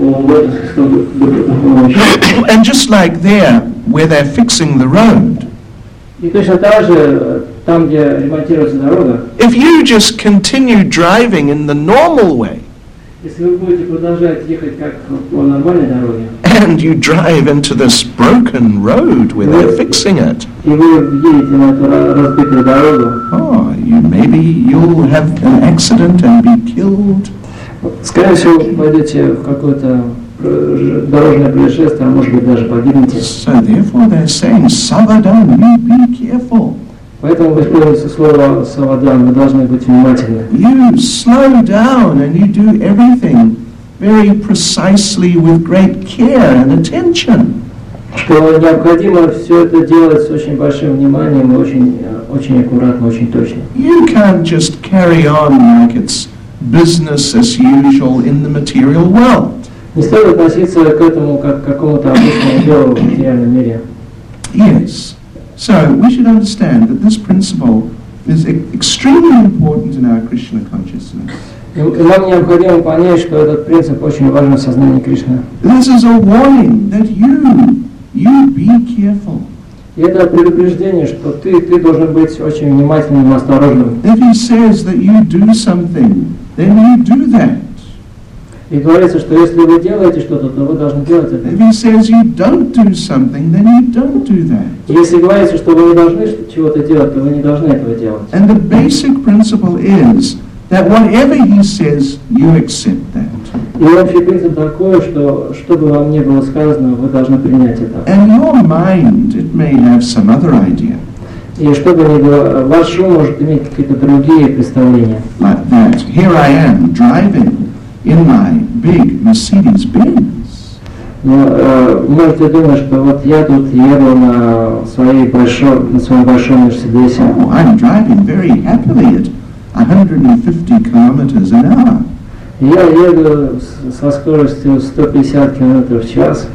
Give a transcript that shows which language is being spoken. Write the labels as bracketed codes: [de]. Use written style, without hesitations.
[en] And just like there, where they're fixing the road, if you just continue driving in the normal way, and you drive into this broken road where they're fixing it, oh, maybe you'll have an accident and be killed. [ru] Скорее всего, пойдете в какое-то дорожное происшествие, а может быть даже погибнете. [en] So therefore they're saying, Savadan, be careful. [ru] Поэтому используется слово Savadan, вы должны быть внимательны. [en] You slow down and you do everything very precisely with great care and attention. [ru] Что необходимо все это делать с очень большим вниманием и очень очень аккуратно, очень точно. [en] You can't just carry on like it's business as usual in the material world. [ru] Не стоит относиться к этому как к какому-то обычному делу в материальном мире. [en] Yes. So we should understand that this principle is extremely important in our Krishna consciousness. [ru] И нам необходимо понять, что этот принцип очень важен в сознании Кришны. [en] This is a warning that you be careful. [ru] И это предупреждение, что ты должен быть очень внимательным и осторожным. [en] If he says that you do something, then you do that. [ru] И говорится, что если вы делаете что-то, то вы должны делать это. [en] If he says you don't do something, then you don't do that. [ru] Если говорится, что вы не должны чего-то делать, то вы не должны этого делать. [en] And the basic principle is that whatever he says, you accept that. [ru] И общий принцип такой, что бы вам ни было сказано, вы должны принять это. [en] And your mind, it may have some other idea. [ru] И что бы ни было, ваш ум может иметь какие-то другие представления. [en] Like that. Here I am, driving. In my big Mercedes Benz. [ru] Может, ты думаешь, что вот я тут еду на своем большом Мерседесе. [en] Oh, I'm driving very happily at 150 kilometers an hour. [ru] Я еду со скоростью 150 километров в час.